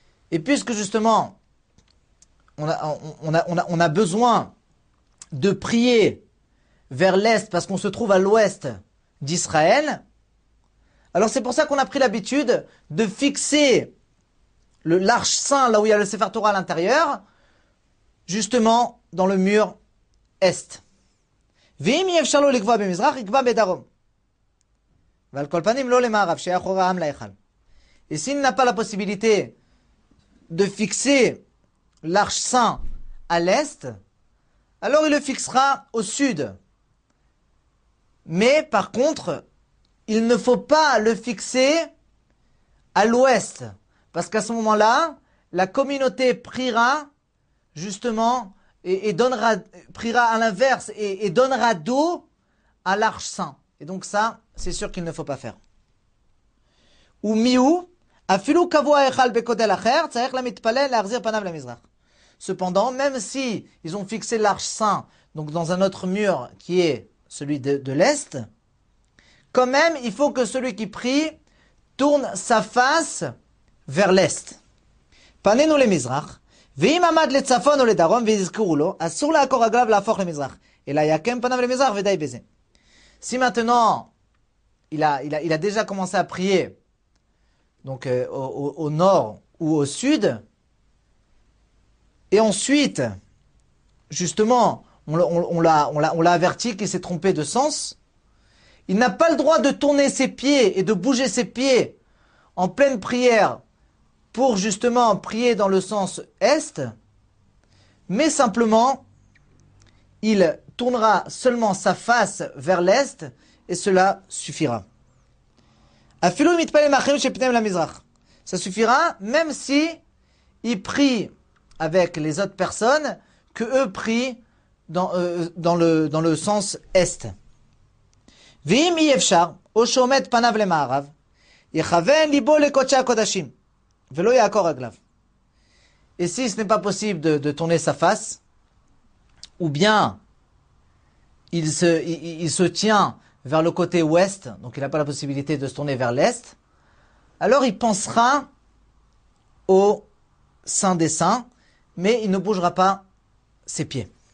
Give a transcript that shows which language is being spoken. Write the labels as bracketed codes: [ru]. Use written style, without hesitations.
[fr] Et puisque justement on a besoin de prier vers l'est parce qu'on se trouve à l'ouest d'Israël, alors c'est pour ça qu'on a pris l'habitude de fixer l'arche saint, là où il y a le Sefer Torah à l'intérieur, justement dans le mur est. [he] ואם אי אפשר לו לקבוע במזרח, יקבע בדרום. ועל כל פנים לא למערב, שהיה חור העם להיכל. [fr] Ici, il n'a pas la possibilité de fixer l'arche saint à l'est, alors il le fixera au sud. Mais par contre, il ne faut pas le fixer à l'ouest, parce qu'à ce moment-là, la communauté priera justement et donnera, priera à l'inverse et donnera d'eau à l'arche saint. Et donc ça, c'est sûr qu'il ne faut pas faire. [he] Ou miou. אפילו קבוע היכל בכותל אחר, צריך למתפלל להחזיר פניו למזרח. [fr] Cependant, même si ils ont fixé l'arche saint, donc dans un autre mur qui est celui de l'Est, quand même, il faut que celui qui prie tourne sa face vers l'Est. [he] פנינו למזרח, ואם עמד לצפון או לדרום ויזכרו לו, אסור לעקור רגליו להפוך למזרח, אלא יקם פניו למזרח ודי בזה. [fr] Si maintenant, il a déjà commencé à prier, donc au nord ou au sud, et ensuite, justement, on l'a averti qu'il s'est trompé de sens, il n'a pas le droit de tourner ses pieds et de bouger ses pieds en pleine prière pour justement prier dans le sens est, mais simplement, il tournera seulement sa face vers l'est et cela suffira. [he] אפילו אם יתפלל מאחרים שפניהם למזרח. [fr] Ça suffira, même si il prie avec les autres personnes que eux prient dans le sens est. [he] ואם אי אפשר, או שעומד פניו למערב, יכוון ליבו לקודשי הקודשים, ולא יעקור רגליו. [fr] Et si ce n'est pas possible de tourner sa face, ou bien il se tient vers le côté ouest, donc il n'a pas la possibilité de se tourner vers l'est, alors il pensera au Saint des Saints, mais il ne bougera pas ses pieds.